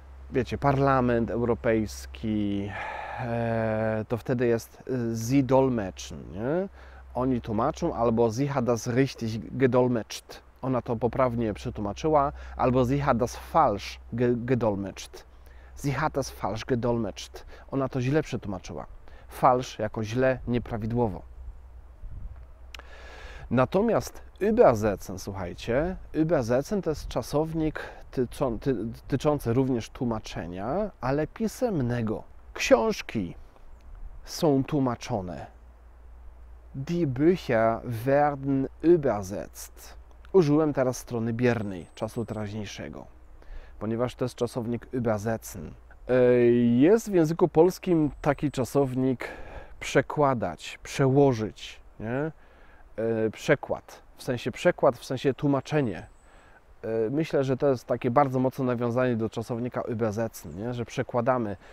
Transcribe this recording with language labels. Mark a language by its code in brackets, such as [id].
[pl] Wiecie, Parlament Europejski, to wtedy jest [de] sie dolmetschen, [pl] nie? Oni tłumaczą, albo [de] sie hat das richtig gedolmetscht. [pl] Ona to poprawnie przetłumaczyła, albo [de] sie hat das falsch gedolmetscht. Sie hat das falsch gedolmetscht. [pl] Ona to źle przetłumaczyła. Falsch jako źle, nieprawidłowo. Natomiast übersetzen, słuchajcie, übersetzen to jest czasownik tyczący również tłumaczenia, ale pisemnego. Książki są tłumaczone. [de] Die Bücher werden übersetzt. [pl] Użyłem teraz strony biernej, czasu teraźniejszego, ponieważ to jest czasownik übersetzen. Jest w języku polskim taki czasownik przekładać, przełożyć, nie? Przekład, w sensie tłumaczenie. Myślę, że to jest takie bardzo mocne nawiązanie do czasownika übersetzen, nie? Że przekładamy.